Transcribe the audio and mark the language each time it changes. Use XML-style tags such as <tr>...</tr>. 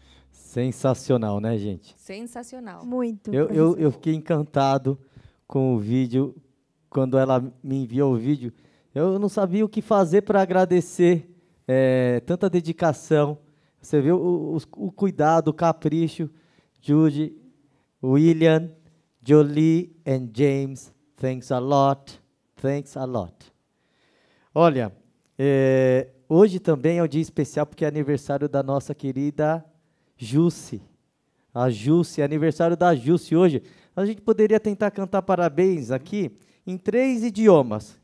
<pt>Sensacional, né, gente? Sensacional. Muito. Eu fiquei encantado com o vídeo, quando ela me enviou o vídeo. Eu não sabia o que fazer para agradecer tanta dedicação. Você viu o cuidado, o capricho.</pt> <en>Judy, William, Jolie and James, thanks a lot. Thanks a lot.</en> <pt>Olha, hoje também é um dia especial, porque é aniversário da nossa querida Jussi. A Jussi, aniversário da Jussi hoje. A gente poderia tentar cantar parabéns aqui em 3 idiomas.</pt>